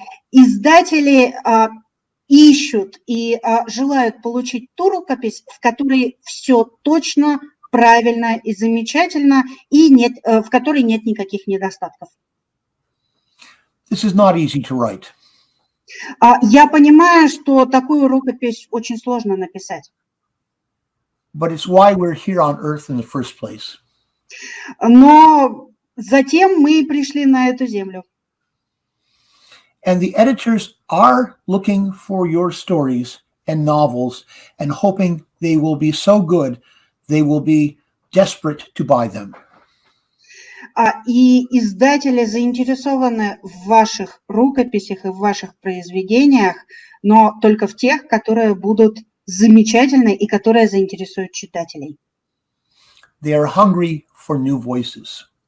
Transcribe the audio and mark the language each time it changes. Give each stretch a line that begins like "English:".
Russian: Издатели ищут и желают получить ту рукопись, в которой все точно, правильно и замечательно, и нет, в которой нет никаких недостатков.
English: This is not easy to write.
Russian: Я понимаю, что такую рукопись очень сложно написать.
English: But it's why we're here on Earth in the first place.
Russian: Но затем мы пришли на эту землю.
English: And the editors are looking for your stories and novels and hoping they will be so good they will be desperate to buy them.
Russian: И издатели заинтересованы в ваших рукописях и в ваших произведениях, но только в тех, которые будут замечательны и которые заинтересуют читателей.
English: They are hungry for new voices.